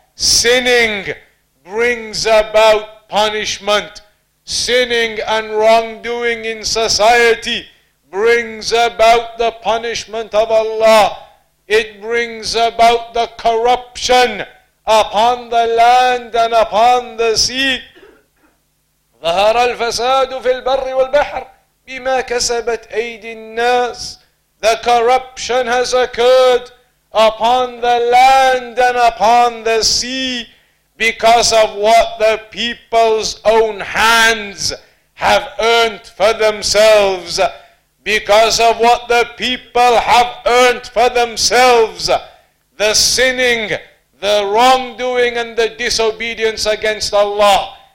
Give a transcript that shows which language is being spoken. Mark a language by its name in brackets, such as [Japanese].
[English] Sinning brings about punishment. Sinning and wrongdoing in society brings about the punishment of Allah. It brings about the corruption upon the land and upon the sea. [Arabic] ظهر الفساد في البر والبحر بما كسبت أيدي الناس. [English] The corruption has occurred upon the land and upon the sea because of what the people's own hands have earned for themselves. Because of what the people have earned for themselves, the sinning, the wrongdoing, and the disobedience against Allah.